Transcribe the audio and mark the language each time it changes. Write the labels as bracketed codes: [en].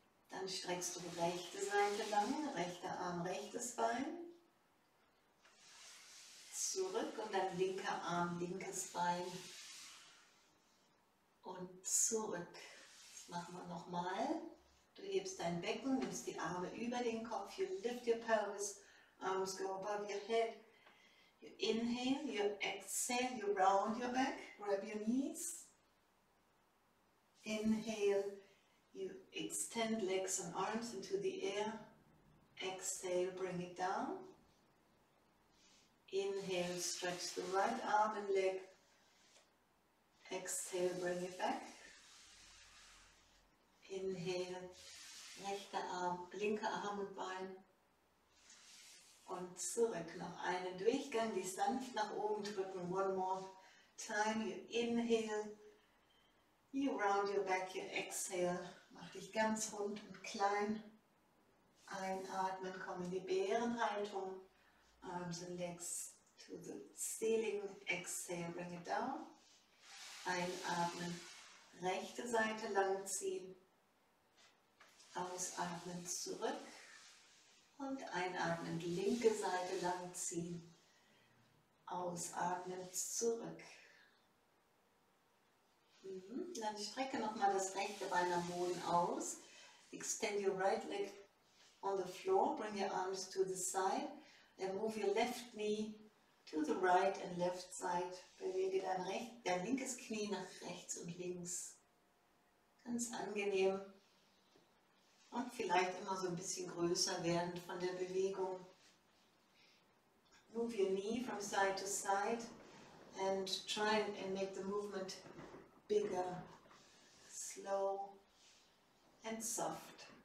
[de] Dann streckst du die rechte Seite lang, rechter Arm, rechtes Bein. Zurück und dann linker Arm, linkes Bein. Und zurück. Das machen wir nochmal. Du hebst dein Becken, nimmst die Arme über den Kopf. [en] You lift your pelvis, arms go above your head. You inhale, you exhale, you round your back, grab your knees. Inhale, you extend legs and arms into the air. Exhale, bring it down. Inhale, stretch the right arm and leg. Exhale, bring it back. [de] Inhale, rechter Arm, linker Arm und Bein. Und zurück, noch einen Durchgang, die sanft nach oben drücken. [en] One more time, you inhale, you round your back, you exhale. [de] Mach dich ganz rund und klein. Einatmen, komm in die Bärenhaltung. [en] Arms and legs to the ceiling, exhale, bring it down. [de] Einatmen, rechte Seite lang ziehen. Ausatmen, zurück. Und einatmen, linke Seite lang ziehen, ausatmen, zurück. Dann strecke nochmal das rechte Bein am Boden aus. [en] Extend your right leg on the floor, bring your arms to the side. Then move your left knee to the right and left side. [de] Bewege dein linkes Knie nach rechts und links. Ganz angenehm. Und vielleicht immer so ein bisschen größer werden von der Bewegung. [en] Move your knee from side to side and try and make the movement bigger, slow and soft.